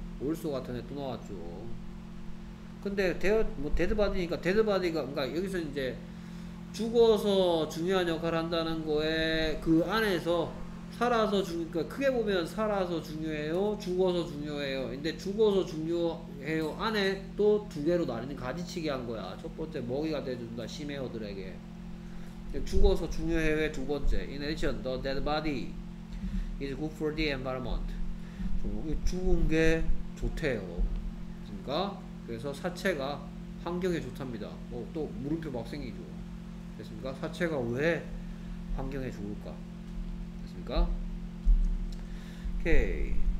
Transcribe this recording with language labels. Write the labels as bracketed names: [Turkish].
[Korean] 올소 같은 애 또 나왔죠. 근데 뭐 데드바디니까 데드바디가 그러니까 여기서 이제 죽어서 중요한 역할을 한다는 거에 그 안에서 살아서 죽으니까 크게 보면 살아서 중요해요, 죽어서 중요해요. 근데 죽어서 중요해요 안에 또 두 개로 나뉘는 가지치기 한 거야. 첫 번째 먹이가 돼준다 심해어들에게. 죽어서 중요해요의 두 번째. [English] In addition, the dead body is good for the environment. [Korean] 죽은 게 좋대요. 그러니까 그래서 사체가 환경에 좋답니다. 어, 또 물음표 막 생기죠. 됐습니까? 사체가 왜 환경에 좋을까? 오케이.